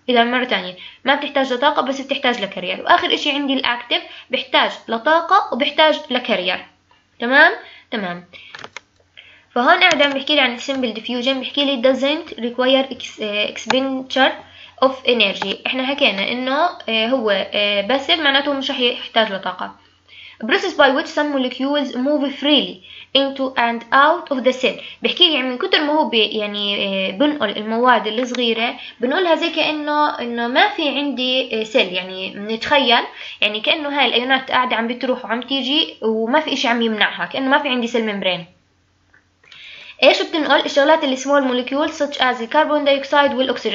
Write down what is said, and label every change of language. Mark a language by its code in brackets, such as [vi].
[ar] اذا مره ثانيه ما بتحتاج لطاقه بس بتحتاج لكارير. واخر شيء عندي الاكتيف، بحتاج لطاقه وبحتاج لكارير. تمام. فهون قاعد عم بحكي لي عن السيمبل ديفيوجن، بحكي لي [en] doesn't require expenditure of energy. [ar] احنا حكينا انه هو باسيف معناته مش رح يحتاج لطاقه. [en] process by which some molecules move freely into and out of the cell. [ar] بحكي لي يعني من كتر ما هو يعني بنقل المواد الصغيره بنقولها زي كانه ما في عندي سيل، يعني نتخيل يعني كانه هاي الايونات قاعده عم بتروح وعم تيجي وما في شيء عم يمنعها، كانه ما في عندي سيل ميمبرين. ايش بتنقل الشغلات اللي اسمها المولكيول [en] such as [ar] الكربون دايوكسيد والاكسجين.